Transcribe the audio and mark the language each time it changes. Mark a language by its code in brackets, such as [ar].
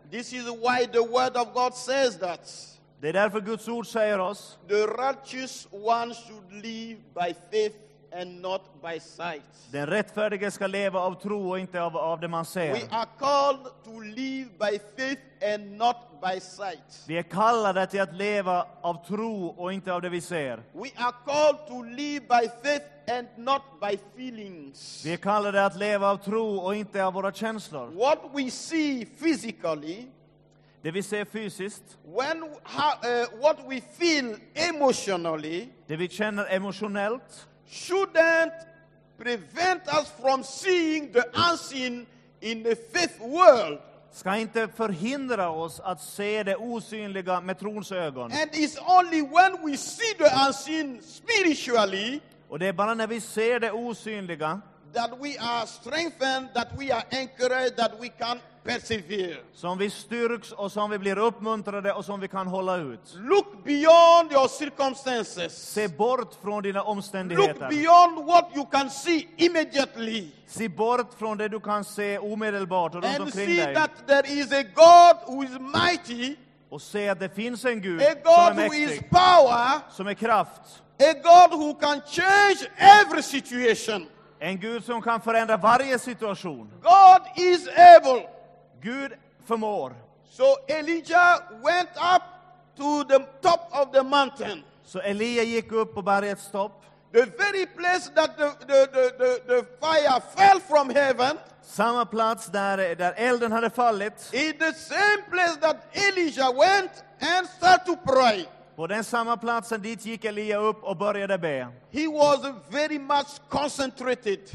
[en] This is why the word of God says that. [sv] Det är därför Guds ord säger oss. [en] The righteous one should live by faith and not by sight. [sv] Den rättfärdige ska leva av tro och inte av det man ser. [en] We are called to live by faith and not by sight. [sv] Vi är kallade till att leva av tro och inte av det vi ser. [en] We are called to live by faith and not by feelings. [sv] Vi är kallade att leva av tro och inte av våra känslor. [en] What we see physically, [sv] det vi ser fysiskt, [en] when what we feel emotionally, [sv] det vi känner emotionellt, [en] shouldn't prevent us from seeing the unseen in the faith world. [sv] ska inte förhindra oss att se det osynliga med trons ögon. [en] And it's only when we see the unseen spiritually. [sv] Och det är bara när vi ser det osynliga [en] that we are strengthened, that we are encouraged, that we can persevere. [sv] Som vi styrks och som vi blir uppmuntrade och som vi kan hålla ut. [en] Look beyond your circumstances. [sv] Se bort från dina omständigheter. [en] Look beyond what you can see immediately. [sv] Se bort från det du kan se omedelbart och runt omkring dig. [en] And see that there is a God who is mighty. [sv] Och se att det finns en Gud som är mäktig. [en] A God who is power. [sv] Som är kraft. [en] A God who can change every situation. [sv] En Gud som kan förändra varje situation. [en] God is able. [sv] Gud förmår. [en] So Elijah went up to the top of the mountain. [sv] Så Elia gick upp på bergets topp. [en] The very place that the fire fell from heaven. [sv] Samma plats där elden hade fallit. [en] In the same place that Elijah went and started to pray. [sv] På den samma platsen dit gick Elia upp och började be. [en] He was very much concentrated.